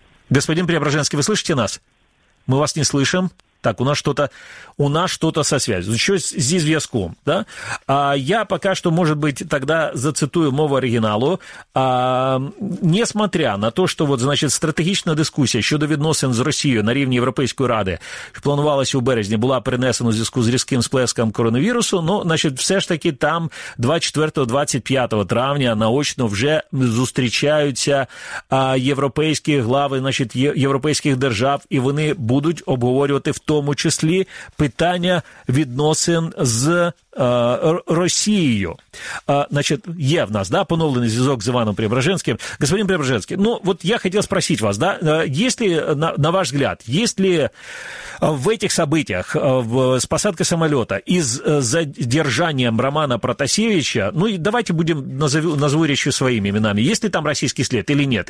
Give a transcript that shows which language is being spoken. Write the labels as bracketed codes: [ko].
[ru] Господин Преображенский, вы слышите нас? Мы вас не слышим. Так, у нас что-то со связью. Что [uk] зі зв'язком, [ru] да? А я пока что, может быть, тогда зацитую [uk] мову оригіналу. А, [ru] несмотря на то, что вот, значит, [uk] стратегічна дискусія щодо відносин з Росією на рівні Європейської ради, що планувалася у березні, була перенесена у зв'язку з різким сплеском коронавірусу, ну, значить, все ж таки там 24-25 травня наочно вже зустрічаються європейські глави, значить, європейських держав, і вони будуть обговорювати в тому числі питання відносин з Росією. Значить, є в нас, да, поновлений зв'язок з Іваном Преображенським. [ru] Господин Преображенський, [uk] ну, от я хотів [ru] спросити вас, да, єсть ли, на ваш взгляд, єсть ли в этих событиях, с посадкой самолета и с задержанием Романа Протасевича, ну и давайте будем назову речью своими именами, есть ли там российский след или нет?